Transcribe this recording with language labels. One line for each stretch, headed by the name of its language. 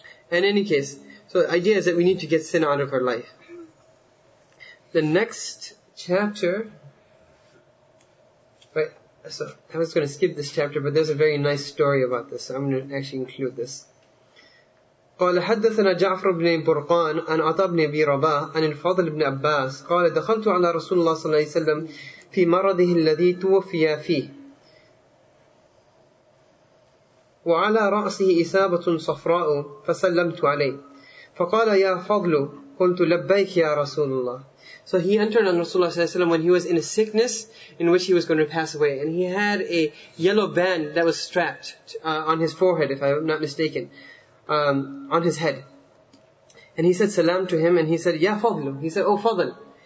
English: In any case, so the idea is that we need to get sin out of our life. The next chapter, right, so I was going to skip this chapter, but there's a very nice story about this, so I'm going to actually include this.
Arabic: قال حدثنا جعفر بن برقان عن عطاء بن أبي رباح عن الفضل بن عباس قال دخلت على رسول الله صلى الله عليه وسلم في مرضه الذي توفي فيه وعلى رأسه إصابة صفراء فسلمت عليه فقال يا فضل قلت لبيك يا رسول الله.
English: So he entered on Rasulullah صلى الله عليه وسلم when he was in a sickness in which he was going to pass away, and he had a yellow band that was strapped on his forehead, if I'm not mistaken. On his head. And he said salam to him, and he said, Ya Fadlu. He said, Oh Fadl.